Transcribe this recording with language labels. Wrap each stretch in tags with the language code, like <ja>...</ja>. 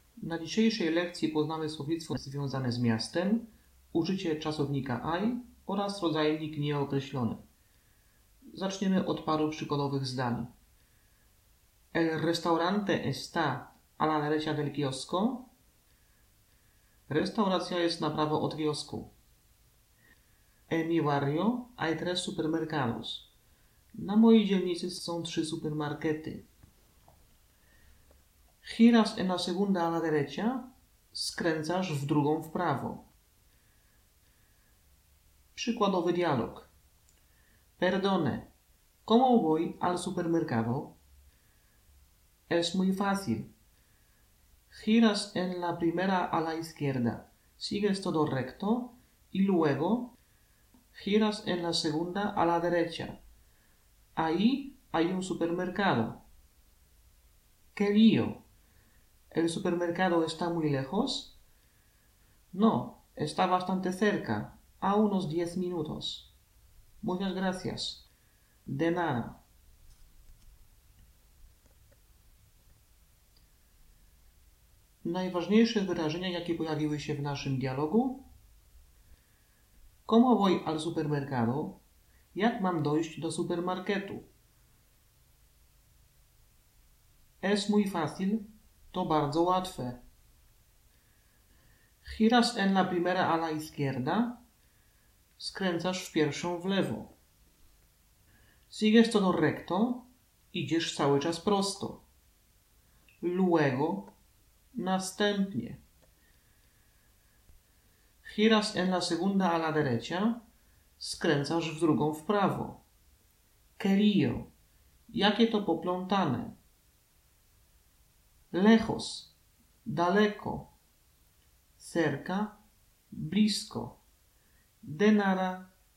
<pl>Na dzisiejszej lekcji poznamy słownictwo związane z miastem, użycie czasownika I oraz rodzajnik nieokreślony. Zaczniemy od paru przykładowych zdań.</pl> <es>El restaurante está a la derecha del kiosco.</es> <pl>Restauracja jest na prawo od kiosku.</pl> <es>En mi barrio hay tres supermercados.</es> <pl>Na mojej dzielnicy są trzy supermarkety.</pl> <es>Giras en la segunda a la derecha.</es> <pl>Skręcasz w drugą w prawo. Przykładowy dialog.</pl> <es>Perdone. ¿Cómo voy al supermercado? Es muy fácil. Giras en la primera a la izquierda. Sigues todo recto. Y luego giras en la segunda a la derecha. Ahí hay un supermercado. ¡Qué lío! ¿El supermercado está muy lejos? No, está bastante cerca, a unos 10 minutos. Muchas gracias. De nada.</es> <pl>Najważniejsze wyrażenia, jakie pojawiły się w naszym dialogu?</pl> <es>¿Cómo voy al supermercado?</es> <pl>Jak mam dojść do supermarketu?</pl> <es>Es muy fácil.</es> <pl>To bardzo łatwe.</pl> <es>Giras en la primera a la izquierda.</es> <pl>Skręcasz w pierwszą w lewo.</pl> <es>Sigues todo recto.</es> <pl>Idziesz cały czas prosto.</pl> <es>Luego.</es> <pl>Następnie.</pl> <es>Giras en la segunda a la derecha.</es> <pl>Skręcasz w drugą w prawo.</pl> <es>Qué lío.</es> <pl>Jakie to poplątane.</pl> <es>Lejos.</es> <pl>Daleko.</pl> <es>Cerca.</es> <pl>Blisko.</pl> <es>De nada.</es>